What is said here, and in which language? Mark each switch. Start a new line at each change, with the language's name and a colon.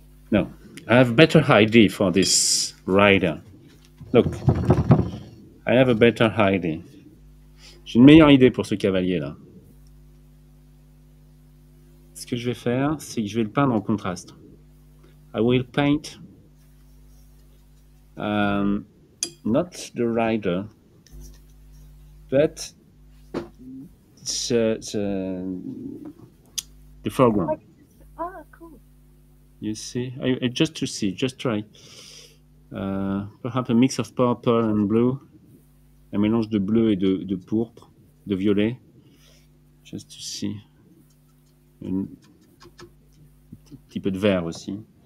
English: No, I have a better idea for this rider. Look, I have a better idea.
French: J'ai une meilleure idée pour ce cavalier-là. Ce que je vais faire, c'est que je vais le peindre en contraste.
English: I will paint not the rider, but the foreground. You see, I just to see, just try. Perhaps a mix of purple and blue.
French: Un mélange de bleu et de pourpre, de violet.
English: Just to see.
French: Un petit peu de vert aussi.